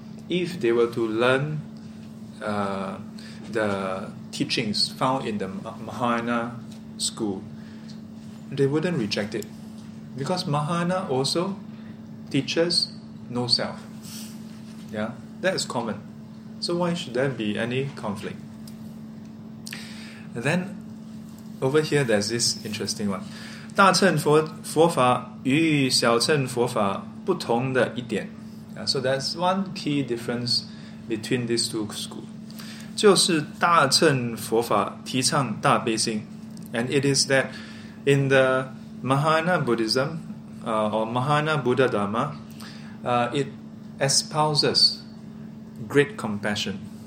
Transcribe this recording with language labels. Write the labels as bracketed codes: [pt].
[en] if they were to learn the teachings found in the Mahayana school, they wouldn't reject it. Because Mahayana also teaches no self. Yeah, that is common. So why should there be any conflict? And then, over here, there's this interesting one. [zh] 大乘佛法与小乘佛法不同的一点. [en] So that's one key difference between these two schools. [zh] 就是大乘佛法提倡大悲心, [en] and it is that in the Mahayana Buddhism or Mahayana Buddha Dharma, it espouses great compassion.